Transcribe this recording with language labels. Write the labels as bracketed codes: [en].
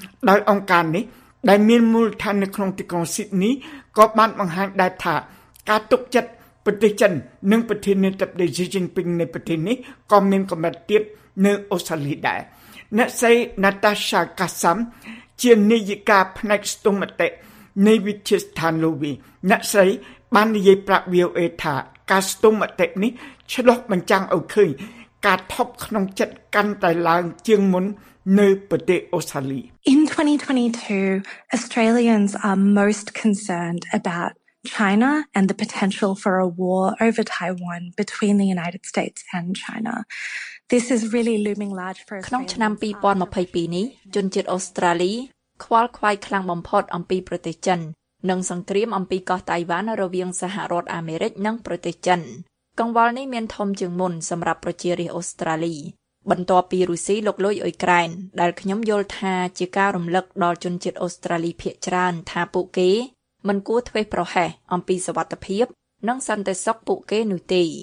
[km] ដោយអង្គការនេះដែលមានមូលដ្ឋាននៅក្នុងទីក្រុងស៊ីដនីក៏បានបង្ហាញដែរថាការទុកចិត្តប្រទេសចិននិងប្រធានាធិបតីស៊ីជីនពីងនៃប្រទេសនេះក៏មានកម្រិតទាបនៅអូស្ត្រាលីដែរអ្នកស្រី Natasha Kassam ជានាយិកាផ្នែកស្ទង់មតិនៃវិទ្យាស្ថានលូវីអ្នកស្រីបាននិយាយប្រាប់ VOA ថាការស្ទង់មតិនេះឆ្លុះបញ្ចាំងឲ្យឃើញការថប់ក្នុងចិត្តកាន់តែឡើងជាងមុននៅប្រទេសអូស្ត្រាលី [en] In 2022 Australians are most concerned about China and the potential for a war over Taiwan between the United States and China. This is really looming large for [km] ក្នុងឆ្នាំ2022នេះជនជាតិអូស្ត្រាលីខ្វល់ខ្វាយខ្លាំងបំផុតអំពីប្រទេសចិននិងសង្គ្រាមអំពីកោះតៃវ៉ាន់រវាងសហរដ្ឋអាមេរិកនិងប្រទេសចិនកង្វល់នេះមានធំជាងមុនសម្រាប់ប្រជារាស្ត្រអូស្ត្រាលីបន្ទាប់ពីរុស្ស៊ីលុកលុយអ៊ុយក្រែនដែលខ្ញុំយល់ថាជាការរំលឹកដល់ជនជាតិអូស្ត្រាលីភាគច្រើនថាពួកគេមិនគួរធ្វេសប្រហែសអំពីសវត្ថិភាពនិងសន្តិសុខពួកគេនោះទេ